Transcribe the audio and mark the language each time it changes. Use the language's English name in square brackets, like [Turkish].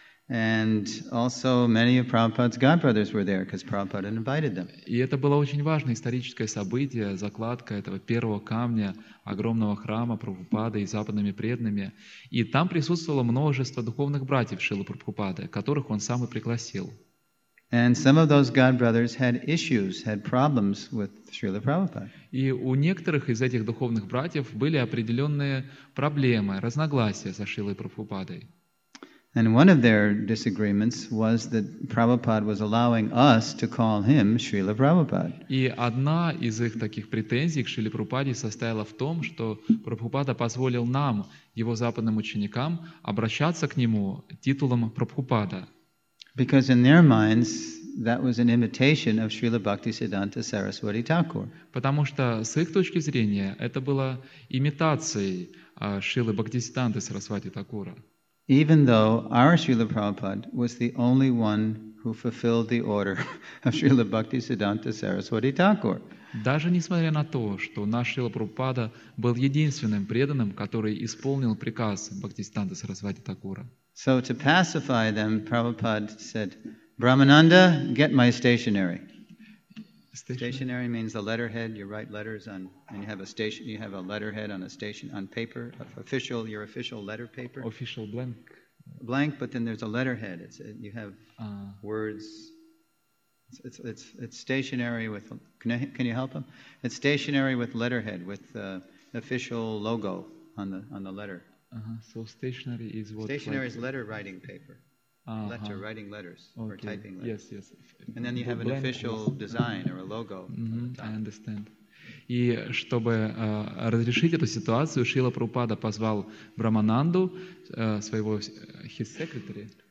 [English] And also many of Prabhupada's godbrothers were there, because Prabhupada invited them. [Russian] И это было очень важное историческое событие, закладка этого первого камня огромного храма Прабхупады и западными преданными. И там присутствовало множество духовных братьев Шрилы Прабхупады, которых он сам и пригласил. [English] And some of those godbrothers had issues, had problems with Srila Prabhupada. [Russian] И у некоторых из этих духовных братьев были определенные проблемы, разногласия со Шрилой Прабхупадой. [English] And one of their disagreements was that Prabhupada was allowing us to call him Srila Prabhupada. [Russian] И одна из их таких претензий к Шриле Прабхупаде состояла в том, что Прабхупада позволил нам, его западным ученикам, обращаться к нему титулом Прабхупада. [English] Because in their minds that was an imitation of Srila Bhaktisiddhanta Saraswati Thakur. [Russian] Потому что с их точки зрения это было имитацией Шрилы Бхактисиддханты Сарасвати Такура. [English] Even though our Srila Prabhupada was the only one who fulfilled the order of Srila Bhaktisiddhanta Saraswati Thakur. [Russian] Даже несмотря на то, что наш Шрила Прабхупада был единственным преданным, который исполнил приказ Бхактисиддханты Сарасвати Такура. [English] So to pacify them, Prabhupada said, Brahmananda, get my stationery. Stationary means the letterhead. You write letters on, and you have a station. You have a letterhead on a station on paper, official, your official letter paper. Official blank. Blank, but then there's a letterhead. It's you have words. It's stationary with. Can you help him? It's stationary with letterhead with official logo on the letter. So stationary is what? Stationary is letter writing paper. Letter, writing letters, okay. Or typing letters. Yes, yes. And then you have an official design or a logo. Mm-hmm. I understand. [Russian] И чтобы разрешить эту ситуацию, Шрила Прабхупада позвал Брамананду, своего, [English] his secretary.